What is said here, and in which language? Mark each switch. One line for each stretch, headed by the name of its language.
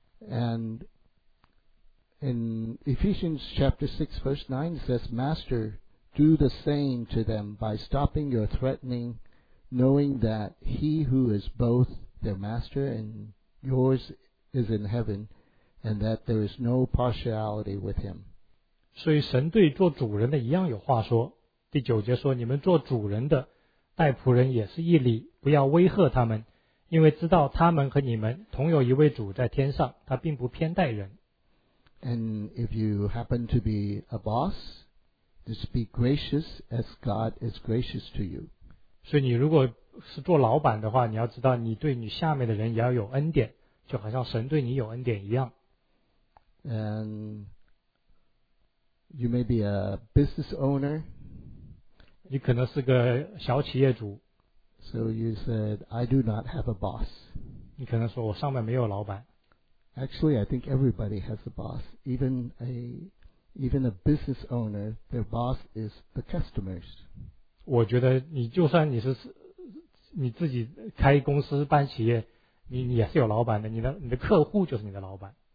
English: And in Ephesians chapter 6 verse 9 it says, Master, do the same to them by stopping your threatening, knowing that he who is both their master and yours is in heaven, and that there is no partiality with him.
Chinese: 所以神对做主人的一样有话说，第九节说，你们做主人的待仆人也是一理，不要威吓他们，因为知道他们和你们同有一位主在天上，他并不偏待人。
English: And if you happen to be a boss, just be gracious as God is gracious to you.
Chinese: 所以你如果是做老板的话，你要知道你对你下面的人也要有恩典，就好像神对你有恩典一样。
English: And you may be a business owner.
Chinese: 你可能是个小企业主。
English: So you said, I do not have a boss.
Chinese: 你可能说我上面没有老板。
English: Actually, I think everybody has a boss. Even a business owner, their boss is the customers.
Chinese: 我觉得你就算你是你自己开公司办企业，你也是有老板的。你的客户就是你的老板。